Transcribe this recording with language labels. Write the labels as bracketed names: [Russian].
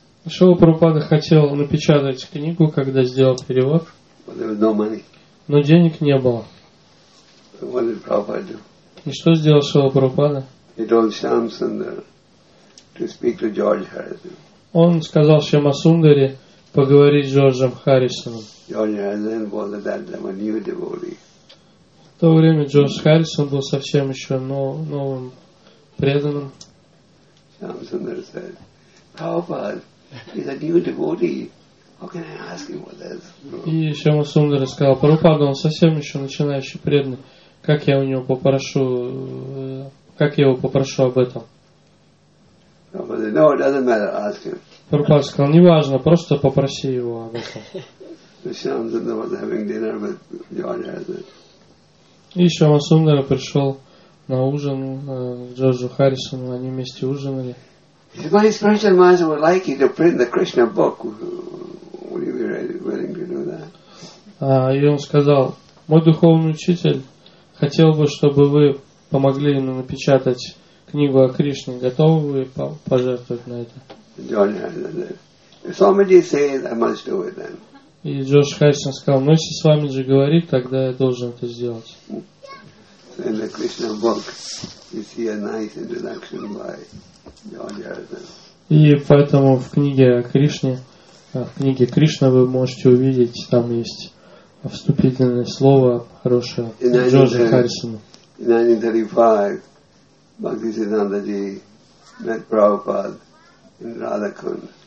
[Russian] Шрила Прабхупада хотел напечатать книгу, когда сделал перевод. [English] But there was no money. [Russian] Но денег не было. [English] So what did Prabhupada do? [Russian] И что сделал Шрила Прабхупада? [English] He told Shyamasundara to speak to George Harrison. [Russian] Он сказал Шьямасундаре поговорить с Джорджем Харрисоном. [English] George Harrison was at that time a new devotee. [Russian] В то время Джордж Харрисон был совсем еще новым преданным. [English] Shyamasundara said, Prabhupada, he's a new devotee. How can I ask him what is? [Russian] И Шьямасундара сказал, Прабхупада, он совсем еще начинающий преданный. Как я у него попрошу, как я его попрошу об этом? [English] No, it doesn't matter, ask him. [Russian] Прабхупада сказал, не важно, просто попроси его об этом. [English] Shyamasundara was having dinner with George Harrison. [Russian] И Шьямасундара пришел на ужин к Джорджу Харрисону, они вместе ужинали. [English] My spiritual master would like you to print the Krishna book. Would you be ready, willing to do that? [Russian] И он сказал, мой духовный учитель хотел бы, чтобы вы помогли ему напечатать книгу о Кришне. Готовы вы пожертвовать на это? [English] Somebody says I must do it then. [Russian] И Джордж Харрисон сказал, ну если с вами же говорит, тогда я должен это сделать. [English] In the Krishna book, you see a nice introduction by George Harrison. [Russian] И поэтому в книге о Кришне, в книге Кришна вы можете увидеть, там есть вступительное слово хорошее Джорджа Харрисона. [English] In 1935, Bhaktisiddhanta Ji met Prabhupada in Radhakund.